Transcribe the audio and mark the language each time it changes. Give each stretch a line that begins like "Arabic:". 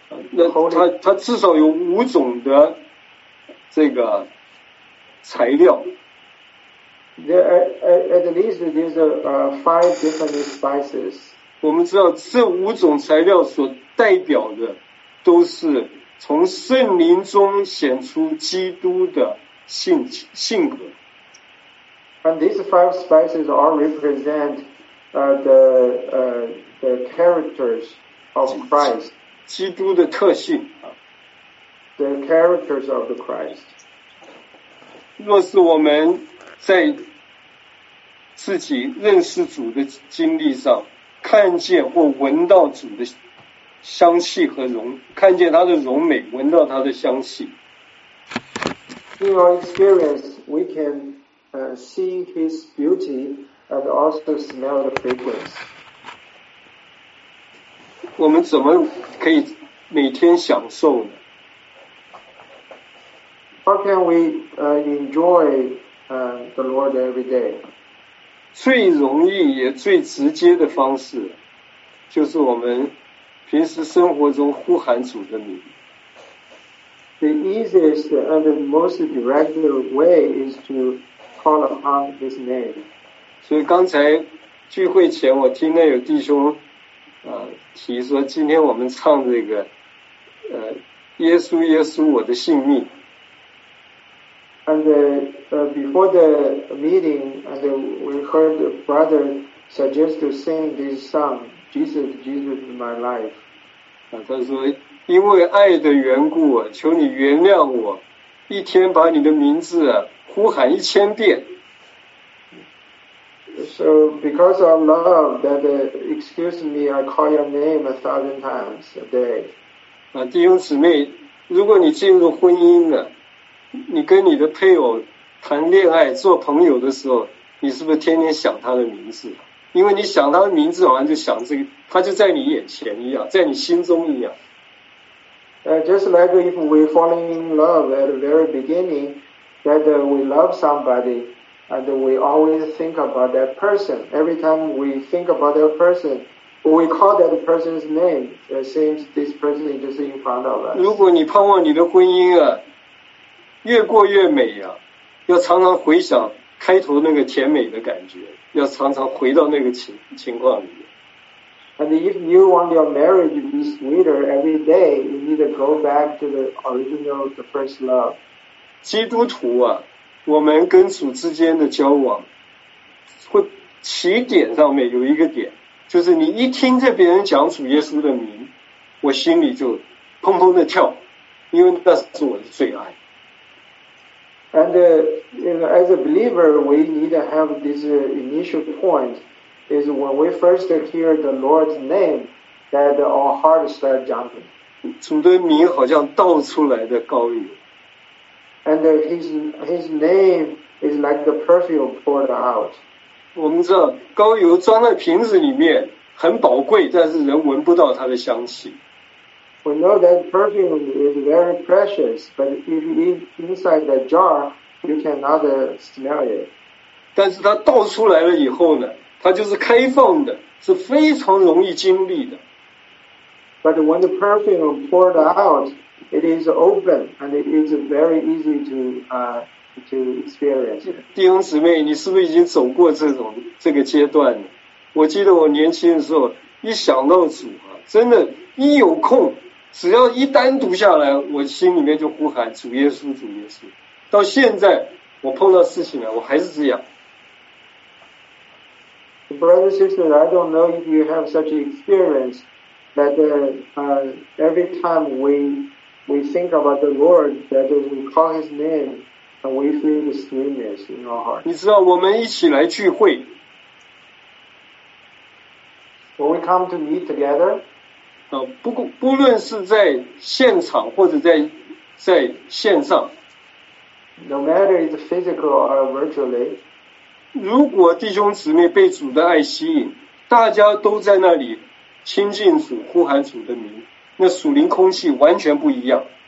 Chinese: 那它至少有五种的这个材料。
English: There at least there's five different spices.
Chinese: 我们知道这五种材料所代表的都是从圣灵中显出基督的性格。
English: And these five spices all represent the characters of Christ.
Chinese: 基督的特性
English: The characters of the Christ.
Chinese: 若是我们在自己认识主的经历上看见或闻到主的香气和荣看见他的荣美闻到他的香气
English: In our experience, we can see his beauty and also smell the fragrance.
Chinese: 我们怎么可以每天享受呢
English: ？How can we enjoy the Lord every day？
Chinese: 最容易也最直接的方式，就是我们平时生活中呼喊主的名。
English: The easiest and the most direct way is to call upon His name。
Chinese: 所以刚才聚会前，我听到有弟兄。提说今天我们唱这个耶稣耶稣我的性命
English: and before the meeting and we heard a brother suggest to sing this song Jesus Jesus my life
Chinese: 他说因为爱的缘故求你原谅我一天把你的名字呼喊一千遍
English: So, because of love, that excuse me, I call your name 1,000 times a day.
Chinese: 弟兄姊妹，如果你进入婚姻了，你跟你的配偶谈恋爱、做朋友的时候，你是不是天天想他的名字？因为你想他的名字，好像就想这个，他就在你眼前一样，在你心中一样。
English: Just like if we fall in love at the very beginning, that we love somebody. And we always think about that person. Every time we think about that person, we call that person's name. It seems this person is just in front of us.
Chinese: 如果你盼望你的婚姻啊，越过越美啊，要常常回想开头那个甜美的感觉，要常常回到那个情况里。
English: And if you want your marriage to be sweeter every day, you need to go back to the original, the first love.
Chinese: 基督徒啊。我们跟主之间的交往会起点上面有一个点就是你一听着别人讲主耶稣的名我心里就砰砰的跳因为那是我的最爱
English: And you know, as a believer we need to have this initial point is when we first hear the Lord's name that our heart start jumping
Chinese: 主的名好像倒出来的膏油
English: And his name is like the perfume poured out.
Chinese: 我们知道膏油装在瓶子里面很宝贵，但是人闻不到它的香气。
English: We know that perfume is very precious, but if you eat inside the jar, you cannot smell it.
Chinese: 但是它倒出来了以后呢，它就是开放的，是非常容易经历的。
English: But when the perfume poured out. It is open and it is very easy to experience.
Chinese: 弟兄姊妹，你是不是已经走过这个阶段了？我记得我年轻的时候，一想到主啊，真的，一有空，只要一单独下来，我心里面就呼喊主耶稣，主耶稣。到现在，我碰到事情了，我还是这样。
English: Brothers and sisters, I don't know if you have such experience that every time we think about the Lord that we call His name and we feel the sweetness in our heart.
Chinese: 你知道我们一起来聚会
English: When we come to meet together
Chinese: 不论是在现场或者在线上。
English: No matter is physical or virtually.
Chinese: 如果弟兄姊妹被主的爱吸引，大家都在那里亲近主，呼喊主的名，那属灵空气完全不一样。